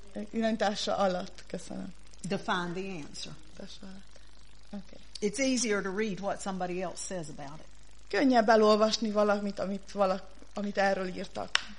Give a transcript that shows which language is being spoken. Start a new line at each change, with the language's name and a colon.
Hungarian: Irányítása alatt, köszönöm.
English: Define the answer. Okay. It's easier to read what somebody else says about it.
Hungarian: Könnyebb elolvasni valamit, amit erről írtak.